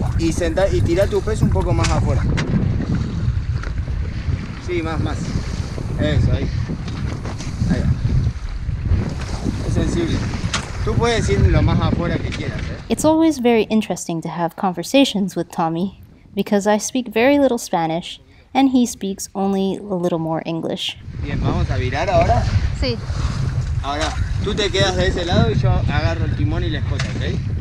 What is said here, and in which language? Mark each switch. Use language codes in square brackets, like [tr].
[es] Y senta y tira tu peso un poco más afuera. Sí, más, más. Eso, ahí. Ahí va. Es sensible. Tú puedes decir lo más afuera que quieras, eh. [en] It's always very interesting to have conversations with Tommy, because I speak very little Spanish and he speaks only a little more English. [es] Bien, vamos a virar ahora. Sí. Ahora. Tú te quedas de ese lado y yo agarro el timón y la escota, ¿ok?